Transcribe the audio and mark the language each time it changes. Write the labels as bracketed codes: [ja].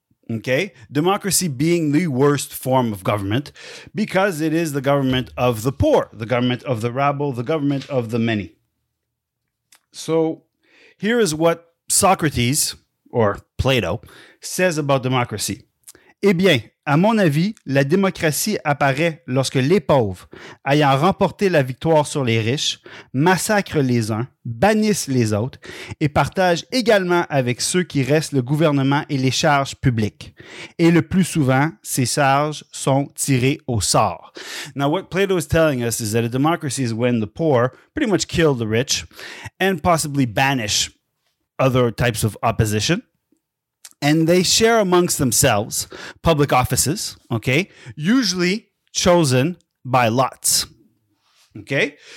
[en] Okay, democracy being the worst form of government because it is the government of the poor, the government of the rabble, the government of the many. So here is what Socrates, or Plato, says about democracy. [fr] Eh bien, à mon avis, la démocratie apparaît lorsque les pauvres, ayant remporté la victoire sur les riches, massacrent les uns, bannissent les autres et partagent également avec ceux qui restent le gouvernement et les charges publiques. Et le plus souvent, ces charges sont tirées au sort. [en] Now, what Plato is telling us is that a democracy is when the poor pretty much kill the rich and possibly banish other types of opposition. And they share amongst themselves public offices, okay, usually chosen by lots, okay?